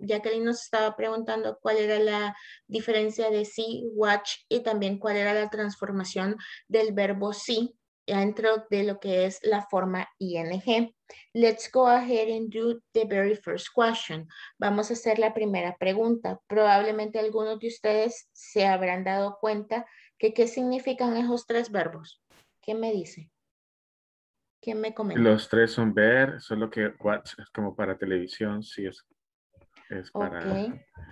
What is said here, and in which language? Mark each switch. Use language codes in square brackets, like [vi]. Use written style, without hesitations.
[es] Jacqueline nos estaba preguntando cuál era la diferencia de see, watch, y también cuál era la transformación del verbo see dentro de lo que es la forma ing. [en] Let's go ahead and do the very first question. [es] Vamos a hacer la primera pregunta. Probablemente algunos de ustedes se habrán dado cuenta que qué significan esos tres verbos. ¿Qué me dice? ¿Quién me comenta? Los tres son ver, solo que watch es como para televisión, sí es para... Okay.